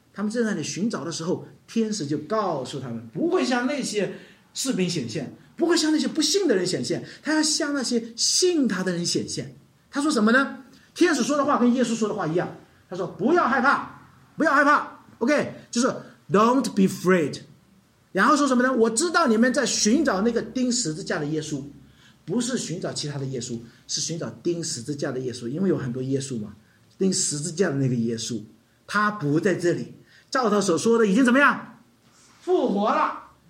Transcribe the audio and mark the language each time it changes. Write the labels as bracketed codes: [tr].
[zh] 他们正在那里寻找的时候，天使就告诉他们，不会像那些士兵显现，不会像那些不信的人显现，他要向那些信他的人显现。他说什么呢？天使说的话跟耶稣说的话一样，他说不要害怕，不要害怕。 [en] OK， [zh] 就是 [en] Don't be afraid。 [zh] 然后说什么呢？我知道你们在寻找那个钉十字架的耶稣，不是寻找其他的耶稣，是寻找钉十字架的耶稣，因为有很多耶稣嘛，钉十字架的那个耶稣他不在这里，照他所说的已经怎么样复活了。